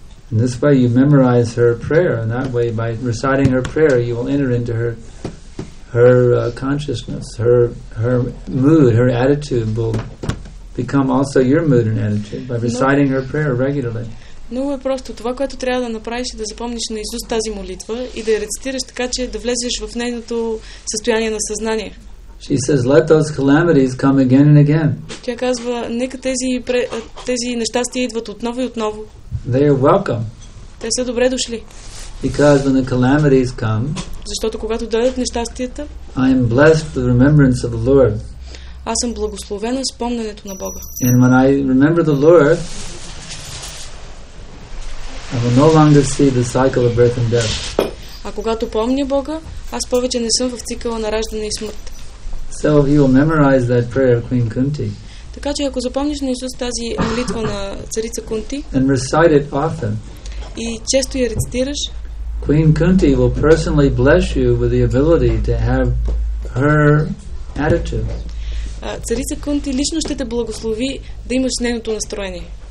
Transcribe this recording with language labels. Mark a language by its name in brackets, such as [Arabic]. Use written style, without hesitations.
[English] In this way you memorize her prayer, and that way by reciting her prayer you will enter into her consciousness, her mood, her attitude will become also your mood and attitude by reciting her prayer regularly. [Bulgarian] Но е просто това, което трябва да направиш, е да запомниш наизуст тази молитва и да я рецитираш така, че да влезеш в нейното състояние на съзнание. [English] She says, let those calamities come again and again. [Bulgarian] Тя казва, нека тези нещастия идват отново и отново. [English] They are welcome. [Bulgarian] Те са добре дошли. [English] Because when the calamities come, [Bulgarian] защото когато дойдат нещастията, [English] I am blessed with the remembrance of the Lord. [Bulgarian] Аз съм благословена с помненето на Бога. [English] And when I remember the Lord, I will no longer see the cycle of birth and death. [Bulgarian] А когато помня Бога, аз повече не съм в цикъла на раждане и смърт. [English] So if you will memorize that prayer of Queen Kunti, [Bulgarian] така че ако запомниш на Исус тази молитва на царица Кунти, [English] and recite it often, [Bulgarian] и често я рецитираш, [English] Queen Kunti will personally bless you with the ability to have her attitude. [Bulgarian] Царица Кунти лично ще те благослови да имаш нейното настроение.